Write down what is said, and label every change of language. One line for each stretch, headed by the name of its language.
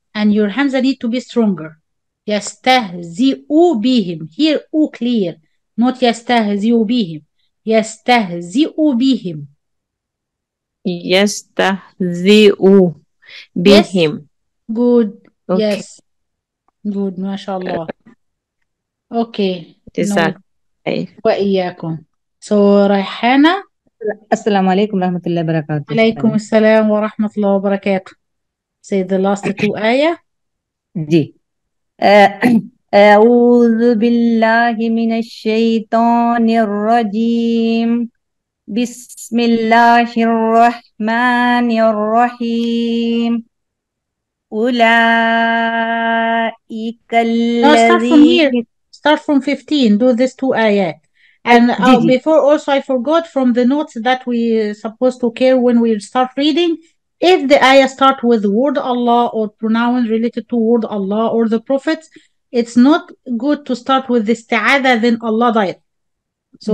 English: and your Hamza need to be stronger
Arabic: يستهزئوا بهم
English: here او clear not
Arabic: يستهزئوا بهم يستهزئوا بهم يستهزئ
English: yes
Arabic: بهم
English: good yes
Arabic: اوكي
English: good
Arabic: ما شاء الله
English: okay no
Arabic: تسال وإياكم so ريحانة السلام عليكم ورحمة الله وبركاته عليكم السلام ورحمة الله وبركاته.
English: Say the last two آية.
Arabic: دي أعوذ بالله من الشيطان الرجيم بسم الله الرحمن الرحيم أولئك
English: No, start from here.
Arabic: الذين
English: Start from 15. Do these two آيات. And
Arabic: دي
English: before also I forgot from the notes that we supposed to care when we start reading if the ayah start with the word Allah or pronoun related to word Allah or the prophets it's not good to start with the isti'adha then Allah died so